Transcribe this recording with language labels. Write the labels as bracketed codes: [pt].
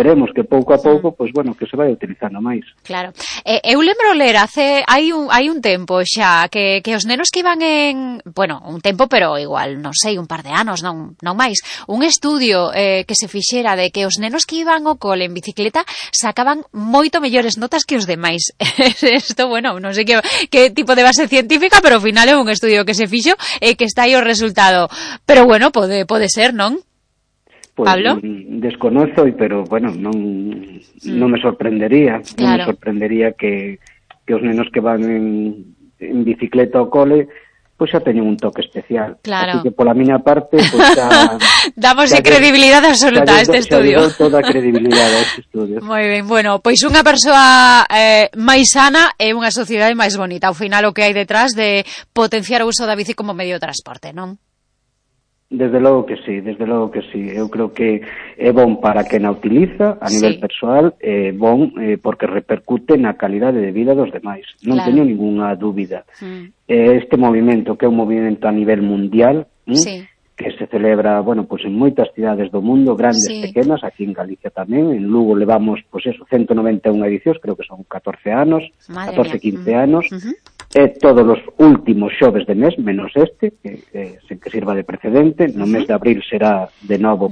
[gl] Esperemos que poco a poco, pues bueno, que se vaya utilizando máis. Claro. Eu lembro ler hace hai un tempo xa que os nenos que iban en, bueno, un tempo, pero igual, non sei, un par de anos, non máis, un estudio que se fixera de que os nenos que iban ao cole en bicicleta sacaban moito mellores notas que os demais. Isto, bueno, non sei que tipo de base científica, pero ao final é un estudio que se fixo e que está aí o resultado. Pero bueno, pode ser, non? Pues, Pablo, desconozco, pero bueno, non me sorprendería, claro. Non me sorprendería que os nenos que van en bicicleta ao cole pues xa teñen un toque especial. Claro. Así que pola miña parte, pues, [es] damos credibilidad absoluta a este estudio. [gl] Damos toda credibilidad a este estudio. Moi ben, bueno, pois unha persoa máis sana é unha sociedade máis bonita. Ao final o que hai detrás de potenciar o uso da bici como medio de transporte, non? Desde logo que sí, desde logo que sí. Eu creo que é bon para quen a utiliza a nivel persoal, é bon porque repercute na calidade de vida dos demais. Non claro. Teño ninguna dúbida. Este movimento, que é un movimento a nivel mundial, que se celebra, bueno, pues en moitas cidades do mundo, grandes, pequenas, aquí en Galicia tamén, en Lugo levamos, pues eso, 191 edicións, creo que son 14 anos, madre 14, mía. 15 anos, e todos os últimos xoves de mes, menos este, que sen que sirva de precedente, no mes de abril será de novo,